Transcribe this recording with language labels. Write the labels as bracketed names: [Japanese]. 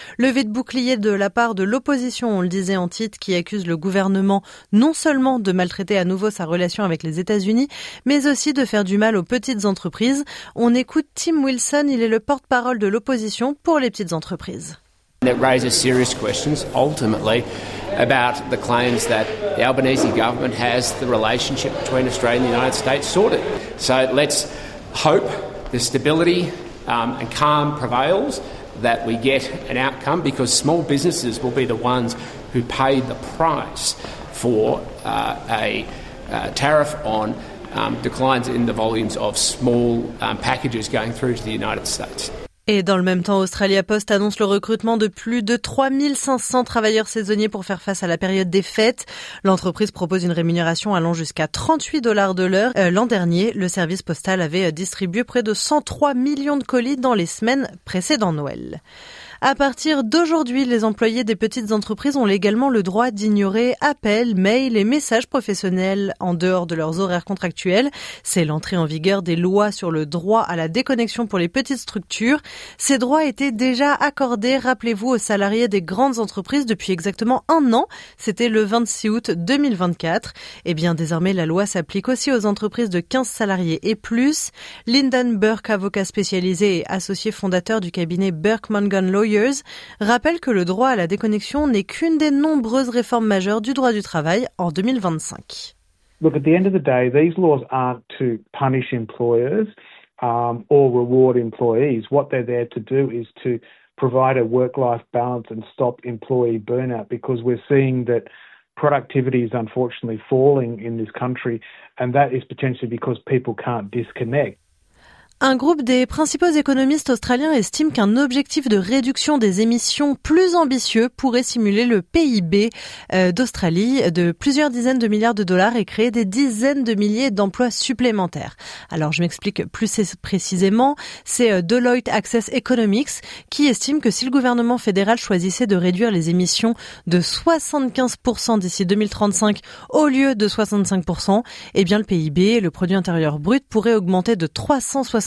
[French] Levée de bouclier de la part de l'opposition, on le disait en titre, qui accuse le gouvernement non seulement de maltraiter à nouveau sa relation avec les États-Unis, mais aussi de faire du mal aux petites entreprises. On écoute Tim Wilson, il est le porte-parole de l'opposition pour les petites entreprises. [English] It raises serious questions ultimately about the claims that the Albanese government has the relationship between Australia and the United States sorted. So let's hope the stability and calm prevails, that we get an outcome, because small businesses will be the ones who pay the price for a tariff on declines in the volumes of small packages going through to the United States. [French] Et dans le même temps, Australia Post annonce le recrutement de plus de 3 500 travailleurs saisonniers pour faire face à la période des fêtes. L'entreprise propose une rémunération allant jusqu'à 38 $ de l'heure. L'an dernier, le service postal avait distribué près de 103 millions de colis dans les semaines précédant Noël. À partir d'aujourd'hui, les employés des petites entreprises ont légalement le droit d'ignorer appels, mails et messages professionnels en dehors de leurs horaires contractuels. C'est l'entrée en vigueur des lois sur le droit à la déconnexion pour les petites structures. Ces droits étaient déjà accordés, rappelez-vous, aux salariés des grandes entreprises depuis exactement un an. C'était le 26 août 2024. Et bien désormais, la loi s'applique aussi aux entreprises de 15 salariés et plus. Lyndon Burke, avocat spécialisé et associé fondateur du cabinet Burke Mongan Lawyers, rappelle que le droit à la déconnexion n'est qu'une des nombreuses réformes majeures du droit du travail en 2025. [English] Look, at the end of the day, these laws aren't to punish employers or reward employees. What they're there to do is to provide a work-life balance and stop employee burnout, because we're seeing that productivity is unfortunately falling in this country, and that is potentially because people can't disconnect. [French] Un groupe des principaux économistes australiens estime qu'un objectif de réduction des émissions plus ambitieux pourrait stimuler le PIB d'Australie de plusieurs dizaines de milliards de dollars et créer des dizaines de milliers d'emplois supplémentaires. Alors je m'explique plus précisément, c'est Deloitte Access Economics qui estime que si le gouvernement fédéral choisissait de réduire les émissions de 75% d'ici 2035 au lieu de 65%, eh bien le PIB, le produit intérieur brut, pourrait augmenter de 360%.